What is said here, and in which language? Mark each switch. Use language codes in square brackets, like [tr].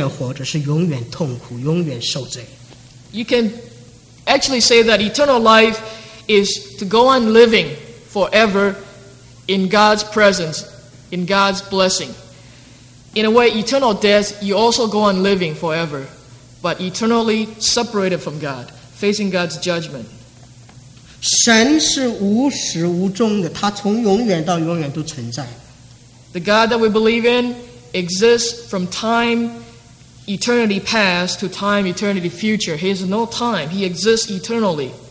[zh] 永生就是永远活着，永远快乐，永远满足。永死是什么？也是永远活着，是永远痛苦，永远受罪。 [en] You can actually say that eternal life is to go on living forever in God's presence, in God's blessing. In a way, eternal death, you also go on living forever, but eternally separated from God, facing God's judgment. [zh] 神是无始无终的，他从永远到永远都存在。 [en] The God that we believe in exists from time eternity past to time eternity future. He is no time. He exists eternally.